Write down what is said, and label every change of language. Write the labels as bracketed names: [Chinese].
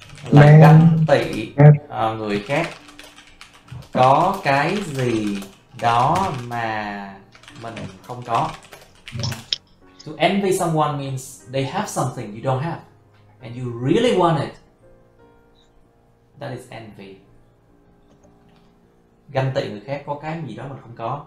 [Vietnamese] Là ghen tị người khác có cái gì đó mà mình không có. [English] To envy someone means they have something you don't have and you really want it. That is envy. [Vietnamese] Ganh tị người khác có cái gì đó mình không có.